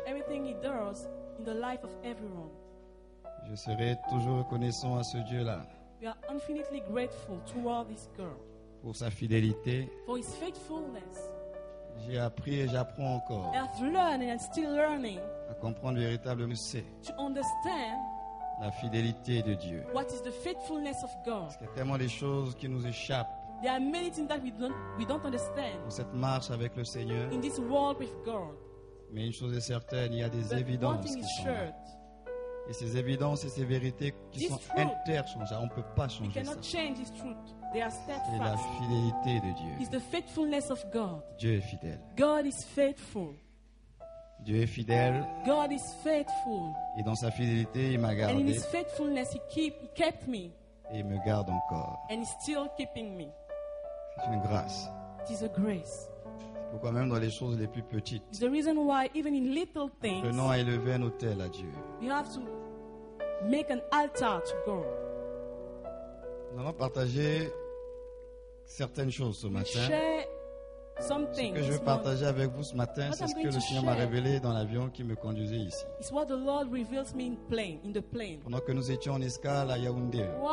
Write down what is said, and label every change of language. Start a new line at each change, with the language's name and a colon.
English: Everything he does in the life of everyone.
French: Je serai toujours reconnaissant à ce Dieu-là.
English: We are infinitely grateful toward this girl.
French: Pour sa fidélité.
English: For his faithfulness.
French: J'ai appris et j'apprends encore.
English: I have learned and I'm still learning.
French: À comprendre véritablement ce
English: to understand
French: la fidélité de Dieu.
English: What is the faithfulness of God?
French: Parce qu'il y a tellement des choses qui nous échappent.
English: There are many things that we don't understand.
French: Cette marche avec le Seigneur.
English: In this walk with God.
French: Mais une chose est certaine, il y a des
English: but
French: évidences qui sont là. Et ces évidences et ces vérités qui
English: this
French: sont interchangeables, on ne peut pas changer
English: cannot
French: ça.
English: Change this truth. They are steadfast.
French: C'est la fidélité de Dieu.
English: It's the faithfulness of God.
French: Dieu est fidèle.
English: God is faithful.
French: Dieu est fidèle.
English: God is faithful.
French: Et dans sa fidélité, il m'a gardé.
English: And in his faithfulness, he kept me.
French: et il me garde encore.
English: And he's still keeping me.
French: C'est une grâce.
English: It is a grace.
French: C'est pourquoi même dans les choses les plus petites.
English: The reason why even in little things.
French: Je n'ai à élever un autel à Dieu.
English: You have to make an altar to God.
French: Nous allons partager certaines choses ce matin.
English: Some things.
French: Ce que je veux partager avec vous ce matin, c'est ce que le Seigneur m'a révélé dans l'avion qui me conduisait ici. It's what the Lord reveals me in plane, in the plane. Pendant que nous étions en escale à Yaoundé,